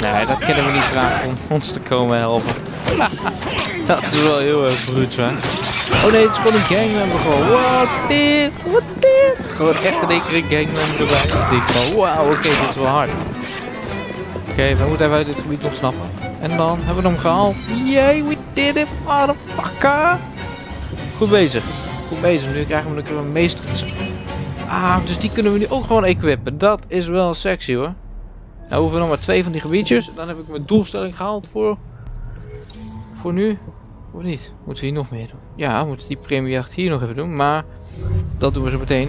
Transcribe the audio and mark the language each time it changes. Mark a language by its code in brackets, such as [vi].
[nl] Nee, dat kunnen we niet vragen om ons te komen helpen. Dat is wel heel erg bruut, hè. Oh nee, het is gewoon een gangmember gewoon. [en] What this? [nl] Gewoon echt een keer een gangmember erbij. Ik denk van wow, oké, dit is wel hard. Oké, we moeten even uit dit gebied ontsnappen. En dan hebben we hem gehaald. [en] Yay, we did it, motherfucker. [nl] Goed bezig. Goed bezig. Nu krijgen we een keer een meester. Ah, dus die kunnen we nu ook gewoon equippen. Dat is wel sexy hoor. Nou, we hoeven nog maar 2 van die gebiedjes. Dan heb ik mijn doelstelling gehaald voor. Voor nu. Of niet? Moeten we hier nog meer doen? Ja, we moeten die premiejacht hier nog even doen. Maar dat doen we zo meteen.